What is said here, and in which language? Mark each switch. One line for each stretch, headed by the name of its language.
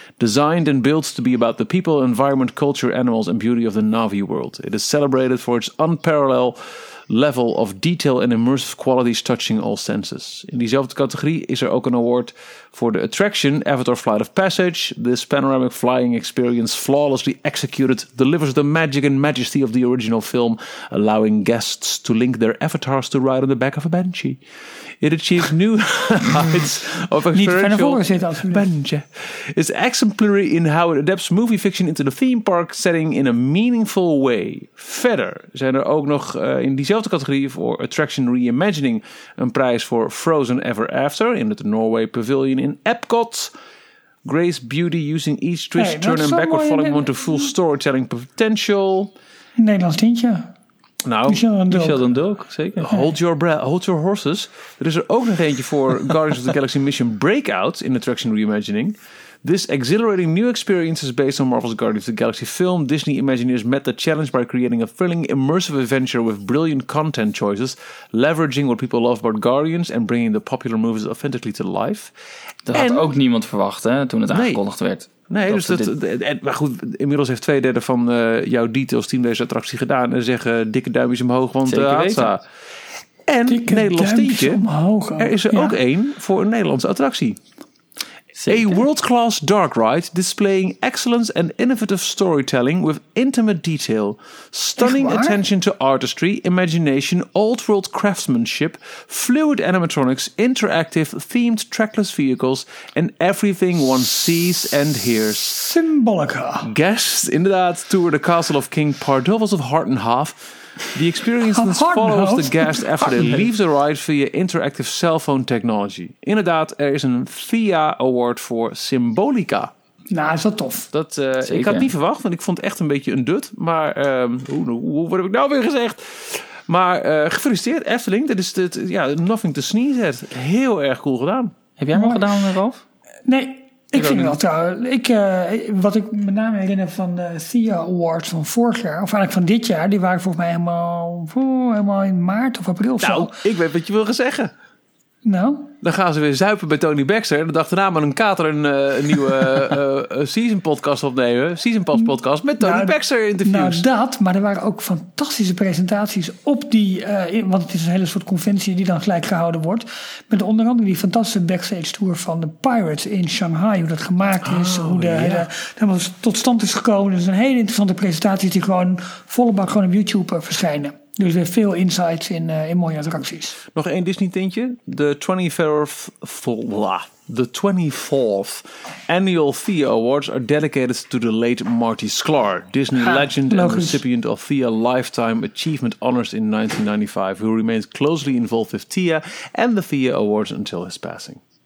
English: Designed and built to be about the people, environment, culture, animals and beauty of the Na'vi world. It is celebrated for its unparalleled level of detail and immersive qualities touching all senses.
Dutch: In diezelfde categorie is er ook een award voor de attraction Avatar Flight of Passage.
English: This panoramic flying experience flawlessly executed delivers the magic and majesty of the original film, allowing guests to link their avatars to ride on the back of a banshee. It achieves new heights of experiential banshee. It's exemplary in how it adapts movie fiction into the theme park setting in a meaningful way.
Dutch: Verder zijn er ook nog in diezelfde categorie voor Attraction Reimagining een prijs voor Frozen Ever After in het Norway Pavilion in Epcot.
English: Grace Beauty using each twist, hey, turn and backward falling onto full storytelling potential.
Dutch: Nederlands tientje. Nou, Michel Den Dulk, zeker.
English: Hold your horses.
Dutch: Er is er ook nog eentje voor Guardians of the Galaxy Mission Breakout in Attraction Reimagining.
English: This exhilarating new experience is based on Marvel's Guardians of the Galaxy film. Disney Imagineers met the challenge by creating a thrilling, immersive adventure with brilliant content choices, leveraging what people love about Guardians and bringing the popular movies authentically to life.
Dutch: Dat had ook niemand verwacht, hè, toen het aangekondigd werd. Nee, dus maar goed, inmiddels heeft 2/3 van jouw details team deze attractie gedaan en zeggen dikke duimpjes omhoog, want Hatsa. En dikke Nederlands tientje, er is er ook één voor een Nederlandse attractie. Zeker.
English: A world-class dark ride displaying excellence and innovative storytelling with intimate detail, stunning attention to artistry, imagination, old-world craftsmanship, fluid animatronics, interactive themed trackless vehicles, and everything one sees and hears. Symbolica. Guests, inderdaad, tour the castle of King Pardovas of Hartenhof. The experience that follows the guest after they leave the ride via interactive cell phone technology.
Dutch: Inderdaad, er is een FIA award voor Symbolica. Nou, is dat tof. Dat, ik had niet verwacht, want ik vond het echt een beetje een dut. Maar wat heb ik nou weer gezegd? Maar gefeliciteerd, Efteling. Dit is het, ja,
English: nothing to sneeze at.
Dutch: Heel erg cool gedaan. Heb jij hem al gedaan, Ralf? Nee. Ik vind het wel trouwens. Wat ik met name herinner van de Thea Awards van vorig jaar, of eigenlijk van dit jaar, die waren volgens mij helemaal in maart of april. Nou, ik weet wat je wil zeggen. Nou? Dan gaan ze weer zuipen bij Tony Baxter. En de dag daarna met een kater een nieuwe season podcast opnemen. Season Pass podcast met Tony Baxter interviews. Nou, dat. Maar er waren ook fantastische presentaties op die. Want het is een hele soort conventie die dan gelijk gehouden wordt. Met onder andere die fantastische backstage tour van de Pirates in Shanghai. Hoe dat gemaakt is. Tot stand is gekomen. Dus een hele interessante presentatie die gewoon volle bak gewoon op YouTube verschijnen. Dus weer veel insights in mooie attracties. Nog één Disney-tintje.
English: De 24th Annual Thea Awards are dedicated to the late Marty Sklar, Disney legend and recipient of Thea Lifetime Achievement Honors in 1995, who remains closely involved with Thea and the Thea Awards until his passing.